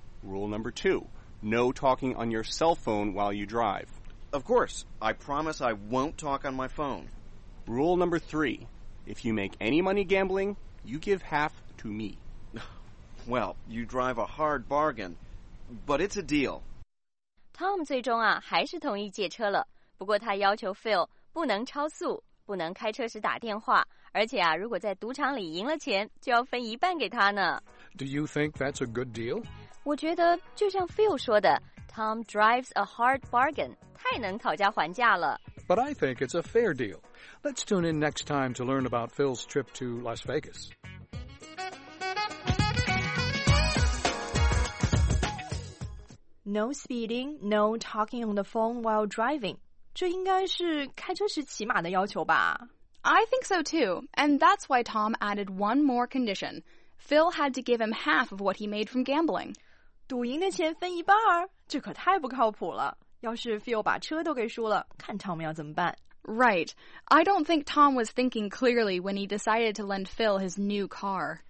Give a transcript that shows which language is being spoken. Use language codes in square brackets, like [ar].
[en] Rule number two, no talking on your cell phone while you drive. Of course. I promise I won't talk on my phone. Rule number three, if you make any money gambling, you give half to me. Well, you drive a hard bargain, but it's a deal. [zh] Tom 最终啊还是同意借车了，不过他要求 Phil 不能超速，不能开车时打电话，而且啊，如果在赌场里赢了钱，就要分一半给他呢。 [en] Do you think that's a good deal? [zh] 我觉得就像 Phil 说的 ， [en] Tom drives a hard bargain， [zh] 太能讨价还价了。 [en] But I think it's a fair deal. Let's tune in next time to learn about Phil's trip to Las Vegas. No speeding, no talking on the phone while driving. [zh] 这应该是开车时起码的要求吧。 [en] I think so too, and that's why Tom added one more condition. Phil had to give him half of what he made from gambling. [zh] 赌赢的钱分一半儿？这可太不靠谱了。要是 Phil 把车都给输了，看 Tom 要怎么办。 [en] Right. I don't think Tom was thinking clearly when he decided to lend Phil his new car.